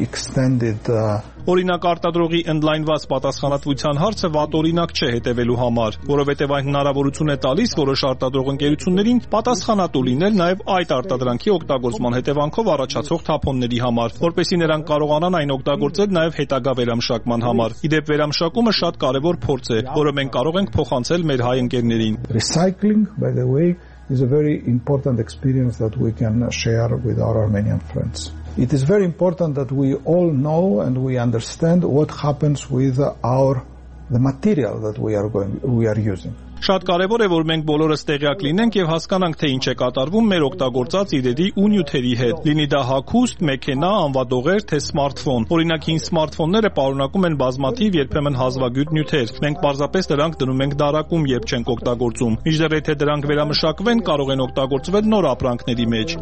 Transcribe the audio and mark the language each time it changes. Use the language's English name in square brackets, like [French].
[Armenian] Օրինակ, արտադրողի ընդլայնված պատասխանատվության հարցը վատ օրինակ չէ հետևելու համար, որովհետև այն հնարավորություն է տալիս որոշ արտադրող ընկերություններին պատասխանատու լինել նաև այդ արտադրանքի օգտագործման հետևանքով առաջացող թափոնների համար, որպեսզի նրանք կարողանան այն օգտագործել նաև հետագա վերամշակման համար։ Ի դեպ, վերամշակումը շատ կարևոր փորձ է, որը մենք կարող ենք փոխանցել մեր հայ ընկերներին։ [English] Recycling, by the way, is a very important experience that we can share with our Armenian friends. It is very important that we all know and we understand what happens with the material that we are using. [Armenian] Շատ կարևոր է, որ մենք բոլորս տեղյակ լինենք եւ հասկանանք, թե ինչ է կատարվում մեր օգտագործած իրերի ու նյութերի հետ։ Լինի դա հագուստ, մեքենա, անվադողեր, թե սմարթֆոն։ Օրինակ, հին սմարթֆոնները պարունակում են բազմաթիվ երբեմն հազվագյուտ նյութեր։ Մենք պարզապես դրանք դնում ենք դարակում, երբ չենք օգտագործում։ Միջդեռ եթե դրանք վերամշակվեն, կարող են օգտագործվել նոր ապրանքների մեջ։